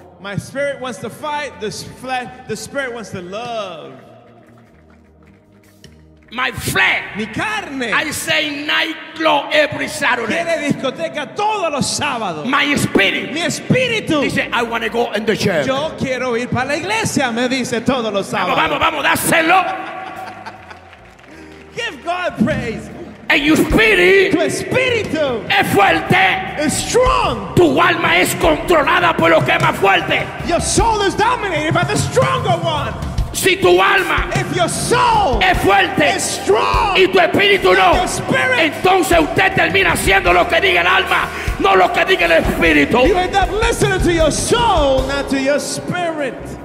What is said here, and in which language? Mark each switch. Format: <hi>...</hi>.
<en>My spirit wants to fight, the flesh, the spirit wants to love. My flesh.</en> <es>Mi carne.</es> <en>I say nightclub every Saturday.</en> <es>Quiere discoteca todos los sábados.</es> <en>My spirit.</en> <es>Mi espíritu.</es> <en>Dice I want to go in the church.</en> <es>Yo quiero ir para la iglesia, me dice todos los sábados. Vamos, vamos, vamos, dáselo.</es> <en>Give God praise. And your spirit,</en> <es>tu espíritu, es fuerte,</es> <en>is strong.</en> <es>Tu alma es controlada por lo que es más fuerte.</es> <en>Your soul is dominated by the stronger one.</en> <es>Si tu alma,</es> <en>if your soul,</en> <es>es fuerte,</es> <en>is strong,</en> <es>y tu espíritu no,</es> <en>your spirit,</en> <es>entonces usted termina haciendo lo que diga el alma, no lo que diga el espíritu.</es> <en>You end up listening to your soul, not to your spirit.</en>